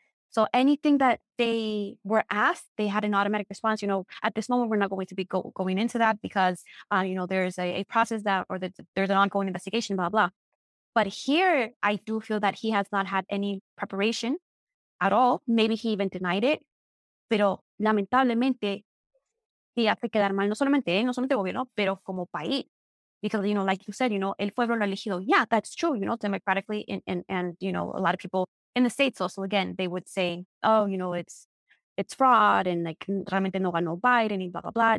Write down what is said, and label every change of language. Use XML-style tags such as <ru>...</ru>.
<en>So anything that they were asked, they had an automatic response. You know, at this moment, we're not going to be going into that because, you know, there's a process that or that there's an ongoing investigation, blah, blah. But here, I do feel that he has not had any preparation at all. Maybe he even denied it.</en> <es>Pero lamentablemente,</es> <en>he has to</en> <es>quedar mal, no solamente gobierno, pero como país.</es> <en>Because, you know, like you said, you know,</en> <es>el pueblo lo ha elegido.</es> <en>Yeah, that's true, you know, democratically. And you know, a lot of people in the States also, again, they would say, oh, you know, it's fraud and like,</en> <es>realmente no ganó Biden</es> <en>y blah, blah, blah.</en>